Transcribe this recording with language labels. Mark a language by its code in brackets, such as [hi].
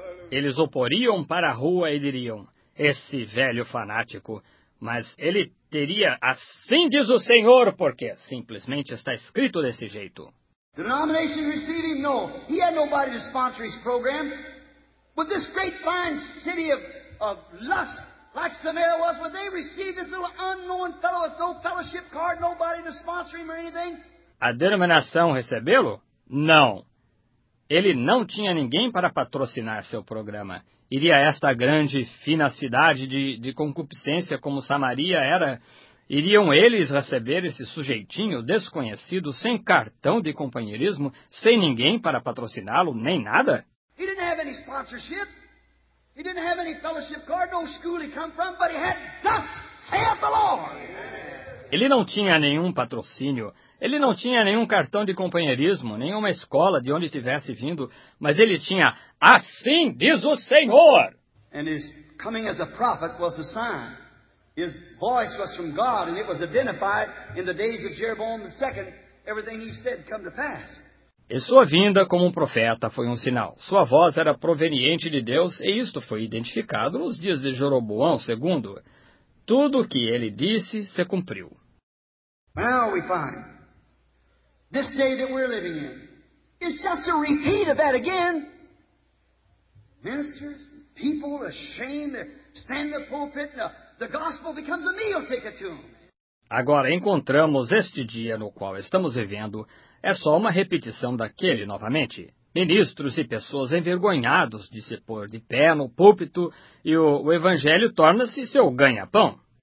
[pt] Eles o poriam para a rua e diriam: esse velho fanático. Mas ele teria, assim diz o Senhor, porque simplesmente está escrito desse jeito. [en] Denomination received him? No. He had nobody to sponsor his program. But this great fine city of lust, like Samaria was, would they receive this little unknown fellow with no fellowship card, nobody to sponsor him or anything? [pt] A denominação recebê-lo? Não. Ele não tinha ninguém para patrocinar seu programa. Iria esta grande, fina cidade de concupiscência como Samaria era? Iriam eles receber esse sujeitinho desconhecido, sem cartão de companheirismo, sem ninguém para patrociná-lo, nem nada? [en] He didn't have any sponsorship. He didn't have any fellowship card, no school he come from, but he had thus saith the Lord. [pt] Ele não tinha nenhum patrocínio. Ele não tinha nenhum cartão de companheirismo, nenhuma escola de onde tivesse vindo, mas ele tinha, assim diz o Senhor. [en] And his coming as a prophet was a sign. His voice was from God, and it was identified in the days of Jeroboam II. Everything he said come to pass. [pt] E sua vinda como um profeta foi um sinal. Sua voz era proveniente de Deus e isto foi identificado nos dias de Jeroboão II. Tudo o que ele disse se cumpriu. [en] Now we find this day that we're living in is just a repeat of that again. Ministers, people ashamed, stand the pulpit, the gospel becomes a meal ticket to them. [pt] Agora encontramos este dia no qual estamos vivendo é só uma repetição daquele novamente. Ministros e pessoas envergonhados de se pôr de pé no púlpito e o evangelho torna-se seu ganha-pão.